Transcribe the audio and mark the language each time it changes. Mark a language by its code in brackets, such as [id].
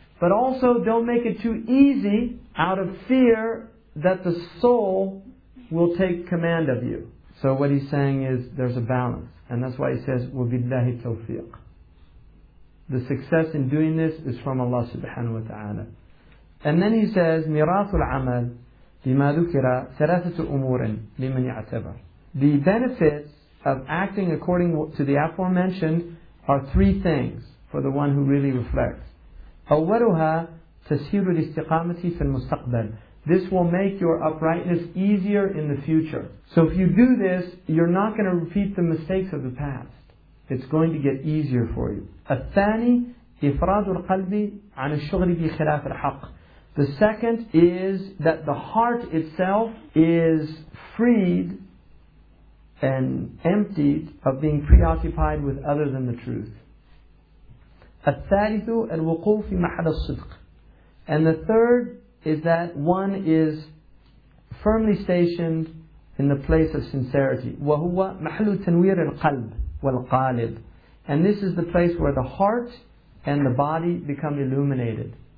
[en] But also don't make it too easy out of fear that the soul will take command of you. So what he's saying is there's a balance. And that's why he says, [ar] وَبِاللَّهِ التَّوْفِيقِ. [en] The success in doing this is from Allah subhanahu wa ta'ala. And then he says, [ar] مِرَاثُ الْعَمَلِ بِمَا ذُكِرَ ثَلَاثَةُ أُمُورٍ لِمَنْ يَعْتَبَرْ. [en] The benefits of acting according to the aforementioned are three things for the one who really reflects. [ar] أَوَّلُهَا تَسْهِيرُ الْإِسْتِقَامَةِ فِي الْمُسْتَقْبَلِ. [en] This will make your uprightness easier in the future. So if you do this, you're not going to repeat the mistakes of the past. It's going to get easier for you. [ar] الثاني إفراد القلب عن الشغل بخلاف الحق. [en] The second is that the heart itself is freed and emptied of being preoccupied with other than the truth. [ar] الثالث الوقوف في محل الصدق. [en] And the third is that one is firmly stationed in the place of sincerity. [ar] وَهُوَ مَحْلُ تَنْوِيرِ الْقَلْبِ وَالْقَالِبِ. [en] And this is the place where the heart and the body become illuminated.